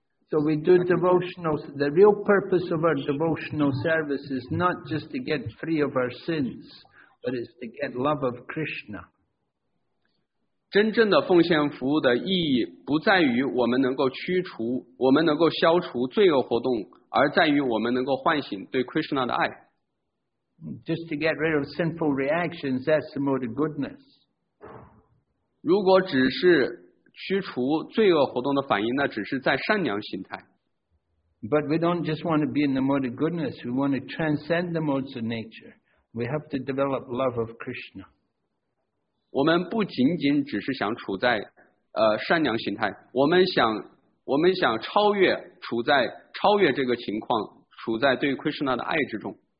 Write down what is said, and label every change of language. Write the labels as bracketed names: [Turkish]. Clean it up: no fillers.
[English] So we do devotional, the real purpose of our devotional service is not just to get free of our sins, but it's to get love of Krishna. [Chinese] 真正的奉献服务的意义不在于我们能够消除罪恶活动，而在于我们能够唤醒对 Krishna 的爱。 [English] Just to get rid of sinful reactions, that's the mode of goodness. [Chinese] 如果只是驱除罪恶活动的反应，那只是在善良心态。 [English] But we don't just want to be in the mode of goodness, we want to transcend the modes of nature. We have to develop love of Krishna. [Chinese] 我们不仅仅只是想处在善良形态，我们想超越这个情况，处在对 Krishna 的爱之中。